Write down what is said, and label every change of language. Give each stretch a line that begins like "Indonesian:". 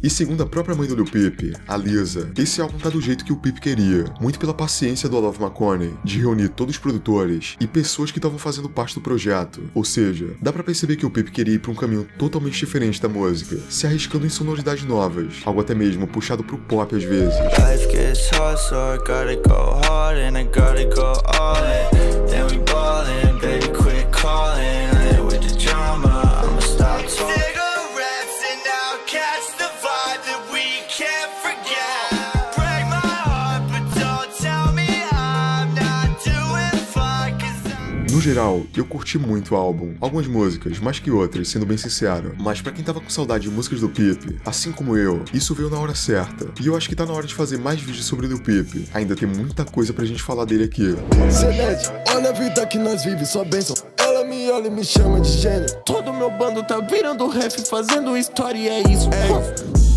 Portuguese: E segundo a própria mãe do Lil Peep, a Lisa, esse álbum tá do jeito que o Peep queria, muito pela paciência do Alof Macone de reunir todos os produtores e pessoas que estavam fazendo parte do projeto. Ou seja, dá pra perceber que o Peep queria ir pra um caminho totalmente diferente da música, se arriscando em sonoridades novas, algo até mesmo puxado pro pop às vezes.
English: Life gets hard, so I gotta go hard, and I gotta go all in. Then we ballin', baby, quit callin', lit with the drama, I'ma stop talkin'. Cigarettes and outcasts, the vibe that we can't forget. Break my heart, but don't tell me I'm not doing fine, cause I'm...
Portuguese: No geral, eu curti muito o álbum, algumas músicas mais que outras, sendo bem sincero, mas pra quem tava com saudade de músicas do Peep, assim como eu, isso veio na hora certa, e eu acho que tá na hora de fazer mais vídeos sobre o Lil Peep, ainda tem muita coisa pra gente falar dele aqui. Celeste, olha a vida que nós vivemos, só bênção, ela me olha e me chama de gênio, todo meu bando tá virando rap, fazendo história e é isso, é isso.